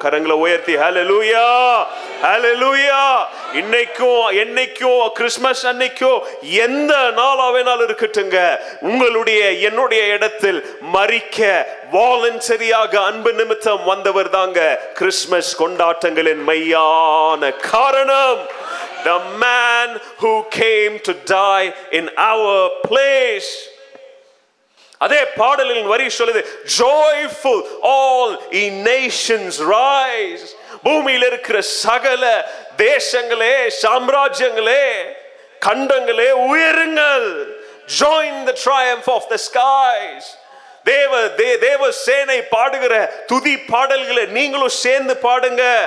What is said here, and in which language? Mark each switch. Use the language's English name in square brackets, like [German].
[Tamil] கரங்களை உயர்த்தி ஹல்லேலூயா, ஹல்லேலூயா. இன்னைக்கும் என்னைக்கும் கிறிஸ்மஸ் அன்னைக்கும் எந்த நாளாக வேணாலும் இருக்கட்டுங்க, உங்களுடைய என்னுடைய இடத்தில் மறிக்க வாலண்டரியாக அன்பு நிமித்தம் வந்தவர் தாங்க கிறிஸ்துமஸ் கொண்டாட்டங்களின் மையான காரணம். [English] The man who came to die in our place. [Tamil] அதே பாடலின் வரி சொல்லுது, [English] Joyful all ye nations rise. [Tamil] பூமியில் இருக்கிற சகல தேசங்களே, சாம்ராஜ்யங்களே, கண்டங்களே உயருங்கள். [English] Join the triumph of the skies. [Tamil] தேவ சேனை பாடுகிற துதி பாடல்களை நீங்களும் சேர்ந்து பாடுங்க.